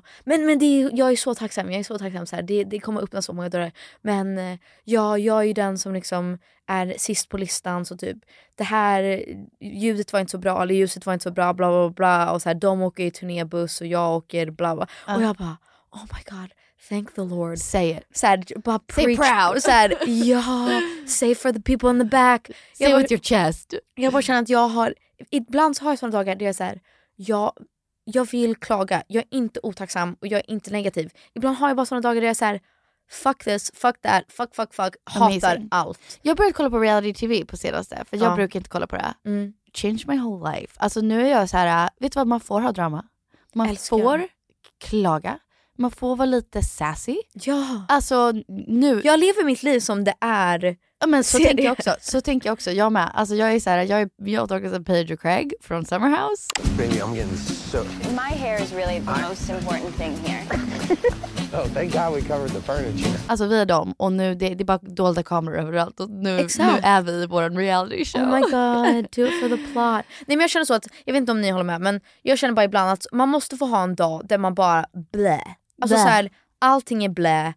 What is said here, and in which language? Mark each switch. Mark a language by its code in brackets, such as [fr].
[sv] Och, men det är, jag är så tacksam, jag är så tacksam. Så här, det kommer öppna så många dörrar. Men ja, jag är ju den som liksom är sist på listan. Så typ, det här, ljudet var inte så bra, eller ljuset var inte så bra, bla bla bla. Och så här, de åker i turnébuss och jag åker, bla bla. Och jag bara, [en] oh my god. Thank the Lord. Say it. Said, but say proud. Said, ja, say for the people in the back. Say bara, with your chest. [sv] Jag bara känner att jag har, ibland så har jag sådana dagar där jag säger, jag vill klaga. Jag är inte otacksam och jag är inte negativ. Ibland har jag bara sådana dagar där jag säger, [en] fuck this, fuck that, fuck. Amazing. [sv] Hatar allt. Jag började kolla på reality TV på senaste, för jag brukar inte kolla på det. Mm. [en] Change my whole life. [sv] Alltså nu är jag så här, vet du vad, man får ha drama. Man får klaga. Man får vara lite sassy. Ja. Alltså nu. Jag lever mitt liv som det är. Ja, men så tänker jag också. Så tänker jag också. Jag med. Alltså jag är så här. Jag tagit en Pedro Craig från Summerhouse. [en] Baby, I'm getting soaked. My hair is really the most important thing here. Oh, thank God we covered the furniture. [sv] Alltså vi är dem. Och nu det är bara dolda kameror överallt. Och nu är vi i vår reality show. [en] Oh my God. Do it for the plot. [sv] Nej, men jag känner så att, jag vet inte om ni håller med, men jag känner bara ibland att man måste få ha en dag där man bara blä. Alltså blä. Så här, allting är blä.